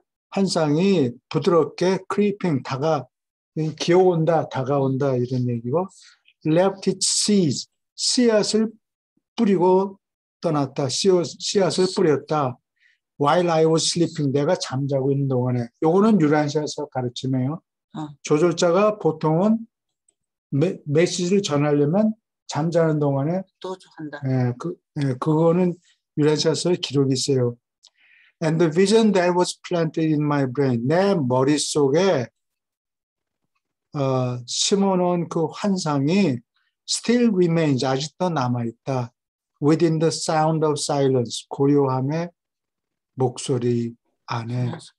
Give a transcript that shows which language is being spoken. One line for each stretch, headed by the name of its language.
Korean: 환상이 부드럽게 creeping, 기어온다, 다가온다, 이런 얘기고,
English: left its seeds,
Korean: 씨앗을 뿌리고 떠났다, 씨앗을 뿌렸다,
English: while I was sleeping,
Korean: 내가 잠자고 있는 동안에. 요거는 유란시아서 가르침이에요. 조절자가 보통은 메시지를 전하려면 잠자는 동안에, 또 한다. 그거는 유란시아서에 기록이 있어요.
English: And the vision that was planted in my brain.
Korean: 내 머릿속에 심어놓은 그 환상이
English: still remains,
Korean: 아직도 남아있다.
English: Within the sound of silence,
Korean: 고요함의 목소리 안에.